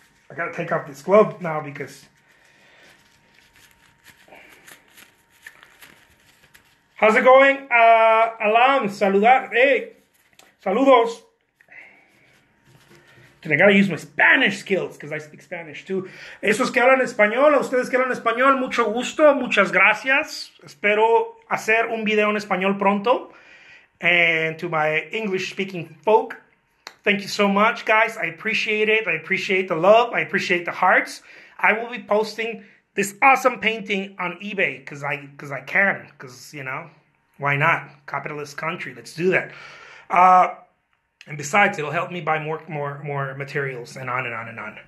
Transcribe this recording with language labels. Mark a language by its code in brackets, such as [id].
[en] I gotta take off this glove now because. How's it going? Alam, saludar. Hey, saludos. I gotta use my Spanish skills because I speak Spanish too. [es] Esos que hablan español, a ustedes que hablan español, mucho gusto, muchas gracias. Espero hacer un video en español pronto. [en] And to my English-speaking folk, thank you so much, guys. I appreciate it. I appreciate the love. I appreciate the hearts. I will be posting this awesome painting on eBay because I can, because, why not? Capitalist country, let's do that. And besides, it'll help me buy more materials and on and on and on.